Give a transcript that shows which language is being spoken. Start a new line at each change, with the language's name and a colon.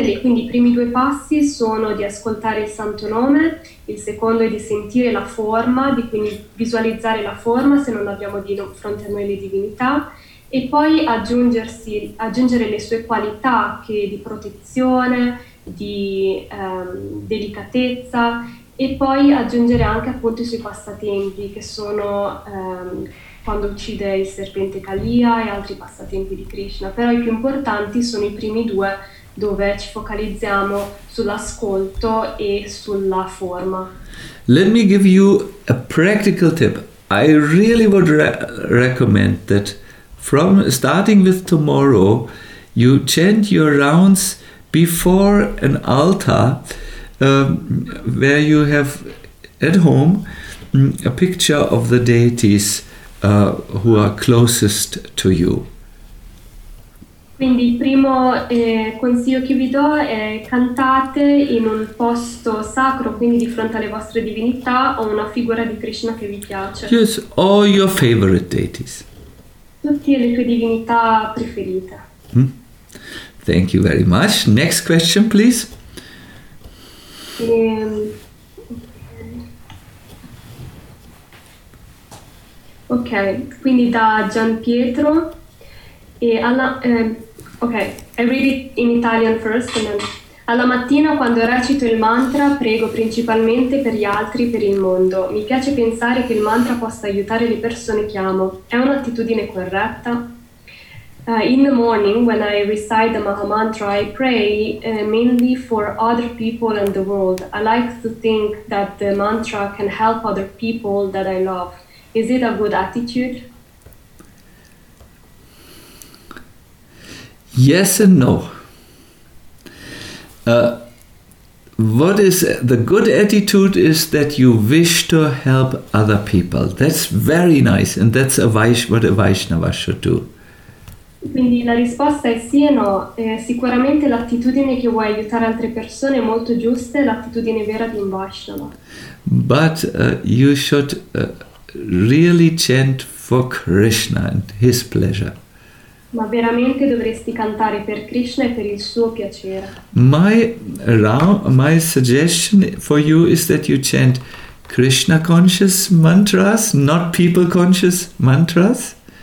Italian: E quindi i primi due passi sono di ascoltare il santo nome, il secondo è di sentire la forma, di quindi visualizzare la forma se non abbiamo di fronte a noi le divinità, e poi aggiungere le sue qualità, che di protezione, di delicatezza, e poi aggiungere anche appunto i suoi passatempi, che sono quando uccide il serpente Kaliya e altri passatempi di Krishna. Però i più importanti sono i primi due, dove ci focalizziamo sull'ascolto e sulla forma.
English: Let me give you a practical tip. I really would recommend that from starting with tomorrow, you chant your rounds before an altar where you have at home a picture of the deities who are closest to you.
Italian: Quindi il primo consiglio che vi do è cantate in un posto sacro, quindi di fronte alle vostre divinità o una figura di Krishna che vi piace.
English: Yes, all your favorite deities.
Italian: Tutte le tue divinità preferite.
English: Thank you very much. Next question, please.
Italian: Ok, quindi da Gian Pietro.
English: I read it in Italian first. And then,
Italian: alla mattina, quando recito il mantra, prego principalmente per gli altri, per il mondo. Mi piace pensare che il mantra possa aiutare le persone che amo. È un'attitudine corretta?
English: In the morning, when I recite the Maha Mantra, I pray mainly for other people and the world. I like to think that the mantra can help other people that I love. Is it a good attitude? Yes and no. What is the good attitude is that you wish to help other people. That's very nice, and that's a what a Vaishnava should do.
Italian: Quindi la risposta è sì e no. Sicuramente l'attitudine che vuoi aiutare altre persone è molto giusta, è l'attitudine vera di un Vaishnava.
English: But you should really chant for Krishna and his pleasure.
Italian: Ma veramente dovresti cantare per Krishna e per il suo piacere.
English: My suggestion for you is that you chant Krishna conscious mantras, not people conscious mantras.